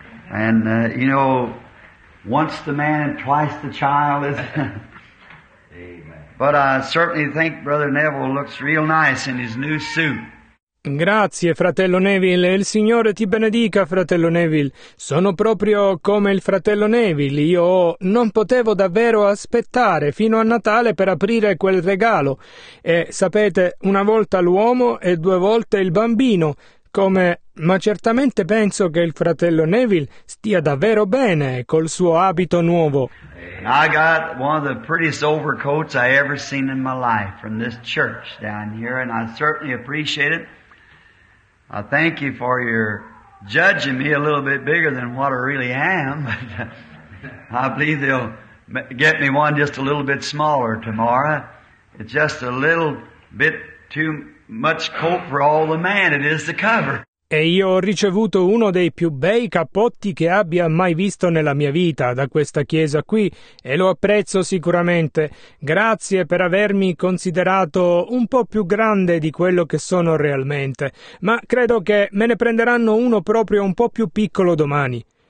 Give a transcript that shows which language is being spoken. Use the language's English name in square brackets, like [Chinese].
[English] And, you know, once the man and twice the child is... Amen. But I certainly think Brother Neville looks real nice in his new suit. [Italian] Grazie, fratello Neville, e il Signore ti benedica, fratello Neville. Sono proprio come il fratello Neville. Io non potevo davvero aspettare fino a Natale per aprire quel regalo. E sapete, una volta l'uomo e due volte il bambino. Ma certamente penso che il fratello Neville stia davvero bene col suo abito nuovo. [English] I got one of the prettiest overcoats I ever seen in my life from this church down here, and I certainly appreciate it. I thank you for your judging me a little bit bigger than what I really am. I believe they'll get me one just a little bit smaller tomorrow. It's just a little bit too much coat for all the man it is to cover. [Italian] E io ho ricevuto uno dei più bei cappotti che abbia mai visto nella mia vita da questa chiesa qui, e lo apprezzo sicuramente. Grazie per avermi considerato un po' più grande di quello che sono realmente, ma credo che me ne prenderanno uno proprio un po' più piccolo domani.